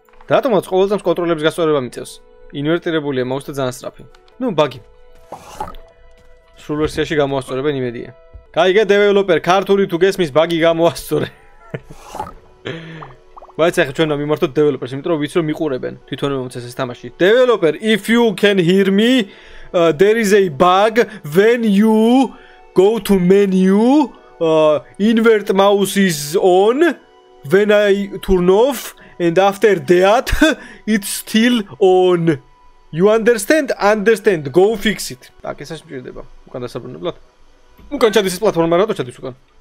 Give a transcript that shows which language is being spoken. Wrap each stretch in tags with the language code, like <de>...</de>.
<ka>რატომაც ყოველთვის კონტროლების გასწორება მიწევს. ინვერტირებულია მაუსთა ძალიან სწრაფი. ნუ ბაგი. სრულ ვერსიაში გამოასწორებენ იმედია. გაიგე დეველოპერ, ქართული თუ გესმის ბაგი გამოასწორე. ვაიცი ახლა ჩვენ ამიმართოთ დეველოპერს, იმიტომ რომ ვიცი რომ მიყურებენ. თვითონ მომცეს ეს თამაში.</ka> <en>დეველოპერ, if you can hear me, there is a bug when you go to menu, invert mouse is on when I turn off. And after that, it's still on. You understand? Understand. Go fix it.</en> <ka>Так, ესაც მჭირდება. უკან დასაბრუნებლად. უკან ჩადის ეს პლატფორმა, რატო ჩადის უკან?</ka>